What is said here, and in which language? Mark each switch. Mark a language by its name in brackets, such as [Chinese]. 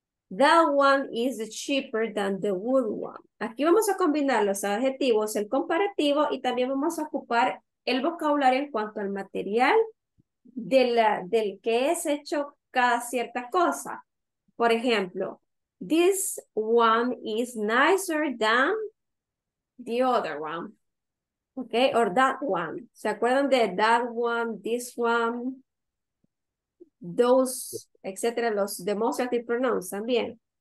[English] That one is cheaper than the wood one. [Spanish] Aquí vamos a combinar los adjetivos, el comparativo, y también vamos a ocupar el vocabulario en cuanto al material del que es hecho cada cierta cosa. Por ejemplo, [English] this one is nicer than the other one. Okay, or that one. [Spanish] ¿Se acuerdan de that one, this one, those, etcétera, los demonstrative pronouns también?